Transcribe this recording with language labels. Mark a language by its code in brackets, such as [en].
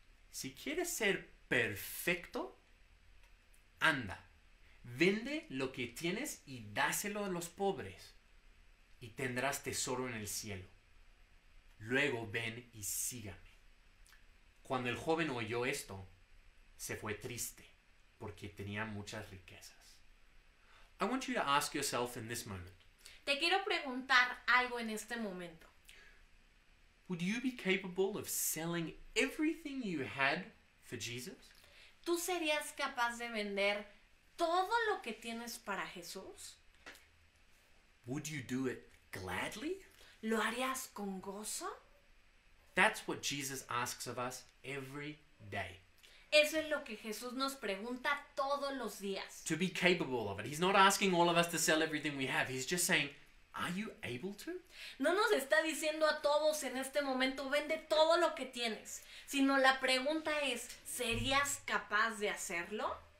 [es] Si quieres ser perfecto, anda, vende lo que tienes y dáselo a los pobres, y tendrás tesoro en el cielo. Luego ven y sígame. Cuando el joven oyó esto, se fue triste, porque tenía muchas riquezas. [en] I want you to ask yourself in this moment. [es] Te quiero preguntar algo en este momento. [en] Would you be capable of selling everything you had for Jesus? [es] ¿Tú serías capaz de vender todo lo que tienes para Jesús? [en] Would you do it gladly? [es] ¿Lo harías con gozo? [en] That's what Jesus asks of us every day. [es] Eso es lo que Jesús nos pregunta todos los días. [en] To be capable of it. He's not asking all of us to sell everything we have. He's just saying, are you able to? [es] No nos está diciendo a todos en este momento, vende todo lo que tienes. Sino la pregunta es, ¿serías capaz de hacerlo?